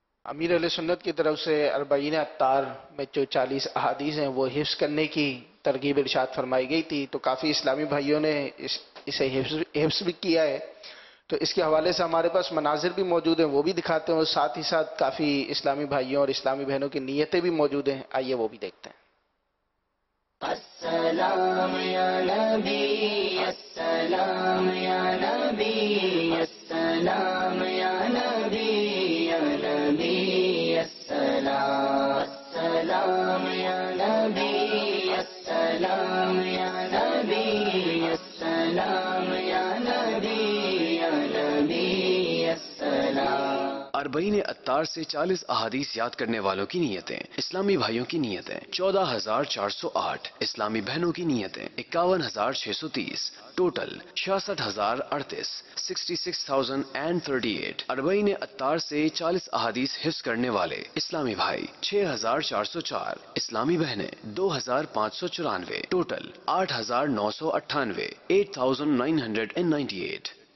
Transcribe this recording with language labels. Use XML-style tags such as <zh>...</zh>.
<ur>امیر علیہ سنت کی طرف سے اربعین اتار میں جو 40 احادیث ہیں وہ حفظ کرنے کی ترغیب ارشاد فرمائی گئی تھی، تو کافی اسلامی بھائیوں نے اسے حفظ بھی کیا ہے، تو اس کے حوالے سے ہمارے پاس مناظر بھی موجود ہیں وہ بھی دکھاتے ہیں، ساتھ ہی ساتھ کافی اسلامی بھائیوں اور اسلامی بہنوں کی نیتیں بھی موجود ہیں، آئیے وہ بھی دیکھتے ہیں.</ur> <ar>السلام یا نبی السلام یا نبی السلام یا نبی یا نبی السلام یا نبی السلام یا نبی السلام یا نبی یا نبی السلام.</ar> <ur>اربعین اتار سے 40 احادیث یاد کرنے والوں کی نیتیں، اسلامی بھائیوں کی نیتیں 14408، اسلامی بہنوں کی نیتیں 51630، ٹوٹل 66038، 66038. اربعین اتار سے 40 احادیث حفظ کرنے والے اسلامی بھائی 6404، اسلامی بہنیں 2594، ٹوٹل 8998، 8998.</ur>